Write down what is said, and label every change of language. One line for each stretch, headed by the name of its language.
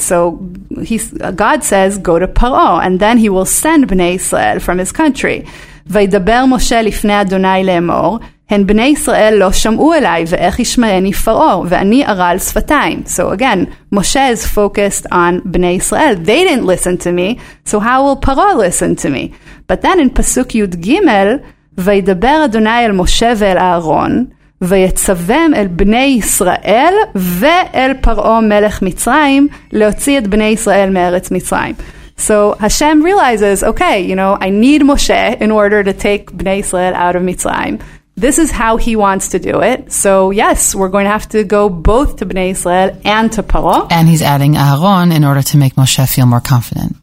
English: So God says, go to Paro, and then he will send bnei Yisrael from his country.
Hebrew: Vaydaber Moshe lifnei Adonai le'mor. הן בני ישראל לא שמעו אליי, ואיך ישמעני פרעה, ואני ארע על שפתיים.
English: So again, Moshe is focused on בני ישראל. They didn't listen to me, so how will פרעה listen to me? But then in
Hebrew: פסוק י' ג', וידבר אדוני אל משה ואל אהרון, ויצבם אל בני ישראל ואל פרעה מלך מצרים, להוציא את בני ישראל מארץ מצרים.
English: So Hashem realizes, okay, you know, I need Moshe in order to take בני ישראל out of Mitzrayim. This is how he wants to do it. So yes, we're going to have to go both to Bnei Israel and to Paro. And he's adding Aharon in order to make Moshe feel more confident.